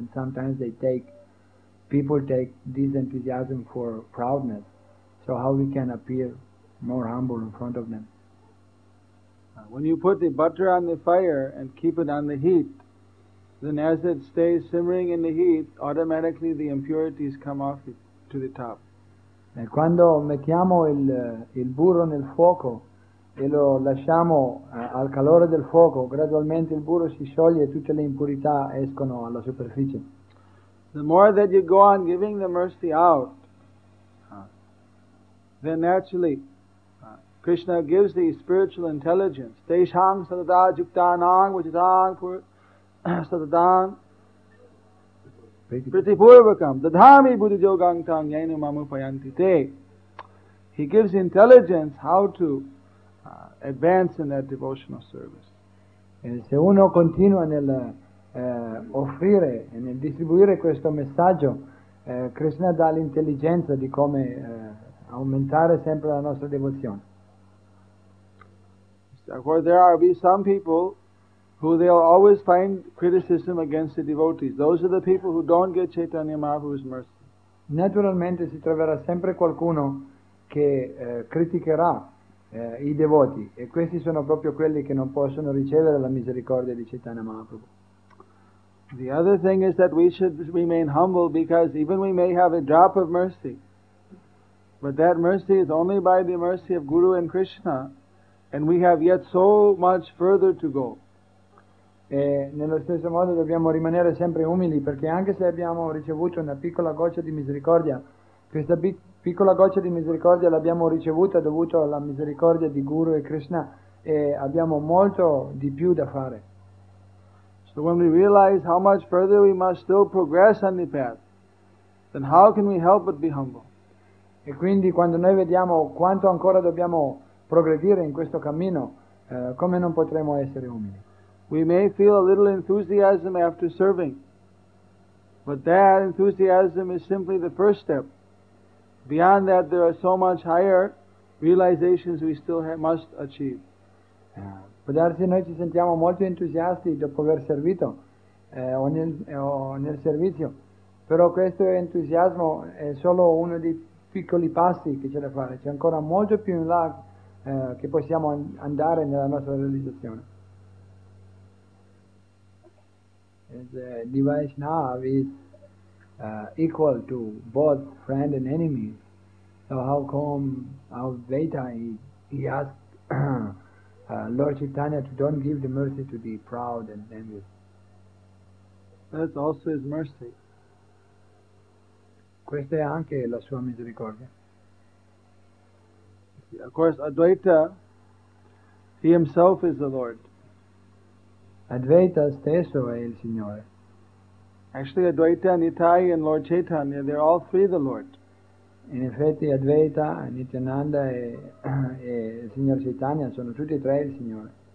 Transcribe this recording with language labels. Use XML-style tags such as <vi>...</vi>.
<en>And sometimes people take this enthusiasm for proudness. So how we can appear more humble in front of them? When you put the butter on the fire and keep it on the heat, then as it stays simmering in the heat, automatically the impurities come off it to the top.</en> <it>E quando mettiamo il burro nel fuoco e lo lasciamo al calore del fuoco, gradualmente il burro si scioglie e tutte le impurità escono alla superficie.</it> <en>The more that you go on giving the mercy out, then naturally Krishna gives the spiritual intelligence.</en> <sa>Teshang sadada juktanang vajitang sadadang pritipurvakam dadhami buddhijogangtang yainu mamupayanti te.</sa> <en>He gives intelligence how to advance in that devotional service.</en> <it>E se uno continua nel offrire e nel distribuire questo messaggio, Krishna dà l'intelligenza di come aumentare sempre la nostra devozione.</it> <en>Therefore, there are be some people who they'll always find criticism against the devotees. Those are the people who don't get Chaitanya Mahaprabhu's mercy.</en> <it>Naturalmente si troverà sempre qualcuno che criticherà i devoti, e questi sono proprio quelli che non possono ricevere la misericordia di Chaitanya Mahaprabhu.</it> <en>The other thing is that we should remain humble, because even we may have a drop of mercy, but that mercy is only by the mercy of Guru and Krishna, and we have yet so much further to go.</en> <it>E nello stesso modo dobbiamo rimanere sempre umili, perché anche se abbiamo ricevuto una piccola goccia di misericordia, questa piccola goccia di misericordia l'abbiamo ricevuta dovuto alla misericordia di Guru e Krishna, e abbiamo molto di più da fare.</it> <en>So when we realize how much further we must still progress on the path, then how can we help but be humble?</en> <it>E quindi quando noi vediamo quanto ancora dobbiamo progredire in questo cammino, come non potremo essere umili?</it> <en>We may feel a little enthusiasm after serving, but that enthusiasm is simply the first step. Beyond that, there are so much higher realizations we still must achieve.</en> <it>Può darsi noi ci sentiamo molto entusiasti dopo aver servito o nel servizio, però questo entusiasmo è solo uno dei piccoli passi che c'è da fare. C'è ancora molto più in là che possiamo andare nella nostra realizzazione.</it> <en>The Vaishnava is equal to both friend and enemy. So how come Advaita, he asked Lord Chaitanya to don't give the mercy to the proud and envious? That's also his mercy.</en> <it>Questa è anche la sua misericordia.</it> <en>Of course, Advaita, he himself is the Lord.</en> <it>Advaita stesso è il Signore.</it> <en>Actually, Advaita, Nitai and Lord Chaitanya, they're all three the Lord.</en> <it>In effetti, Advaita, Nityananda e il Signor Chaitanya sono tutti e tre il Signore.</it>